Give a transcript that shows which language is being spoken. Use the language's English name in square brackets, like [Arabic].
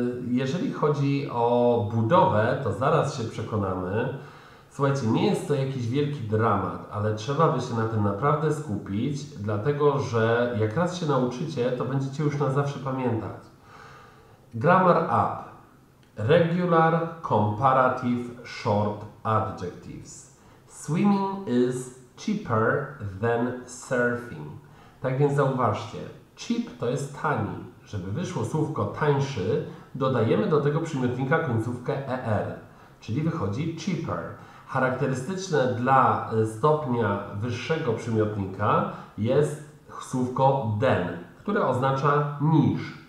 [Polish] Jeżeli chodzi o budowę, to zaraz się przekonamy. Słuchajcie, nie jest to jakiś wielki dramat, ale trzeba by się na tym naprawdę skupić, dlatego że jak raz się nauczycie, to będziecie już na zawsze pamiętać. [English] Grammar up. Regular comparative short adjectives. Swimming is cheaper than surfing. [Polish] Tak więc zauważcie, cheap to jest tani. Żeby wyszło słówko tańszy, dodajemy do tego przymiotnika końcówkę er, czyli wychodzi cheaper. Charakterystyczne dla stopnia wyższego przymiotnika jest słówko than, które oznacza niż.